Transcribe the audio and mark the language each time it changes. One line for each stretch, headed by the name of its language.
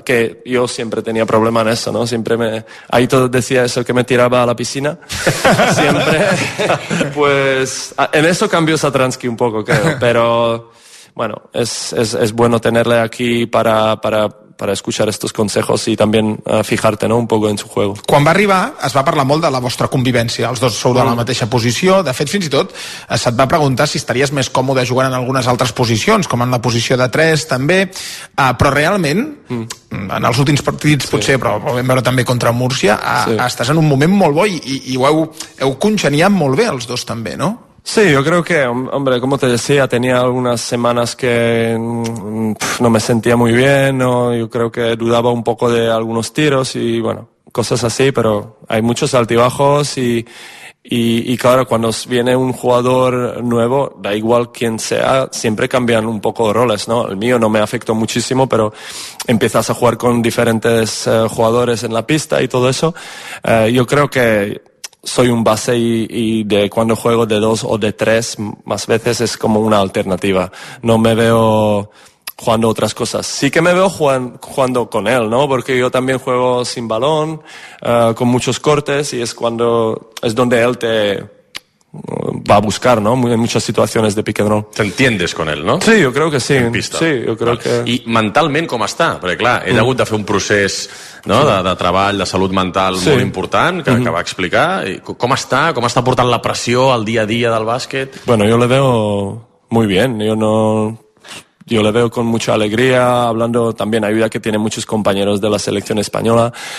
Spanish: Que yo siempre tenía problemas. Eso, ¿no? Siempre me... Ahí todo decía eso, que me tiraba a la piscina. Siempre. Pues en eso cambió Satransky un poco, creo. Pero bueno, es bueno tenerle aquí para escuchar estos consejos y también fijarte, ¿no?, un poco en su juego.
Catalan: Quan va arribar, es va parlar molt de la vostra convivència. Els dos sou de la mateixa posició. De fet, fins i tot, se't va preguntar si estaries més còmode jugant en algunes altres posicions, com en la posició de 3, també. Però realment, en els últims partits, potser, sí. Però ho vam veure també contra Múrcia, estàs en un moment molt bo i ho heu congeniat molt bé els dos, també, no?
Spanish: Sí, yo creo que, hombre, como te decía, tenía algunas semanas que no me sentía muy bien, ¿no? Yo creo que dudaba un poco de algunos tiros y, bueno, cosas así, pero hay muchos altibajos y claro, cuando viene un jugador nuevo, da igual quién sea, siempre cambian un poco de roles, ¿no? El mío no me afectó muchísimo, pero empiezas a jugar con diferentes jugadores en la pista y todo eso. Yo creo que soy un base y de cuando juego de 2 o de 3 más veces es como una alternativa. No me veo jugando otras cosas. Sí que me veo jugando con él, ¿no? Porque yo también juego sin balón, con muchos cortes y es donde él te va a buscar, ¿no? En muchas situaciones de pick and roll. Te entiendes con él, ¿no? Sí, yo creo que sí. En pista. Sí, yo creo que...
Catalan: I mentalment com està? Perquè, clar, he hagut de fer un procés, no? De treball, de salut mental molt important, que va explicar. I com està? Com està portant la pressió al dia a dia del bàsquet?
Spanish: Bueno, yo le veo muy bien. Yo le veo con mucha alegría, hablando también, ayuda que tiene muchos compañeros de la selección española.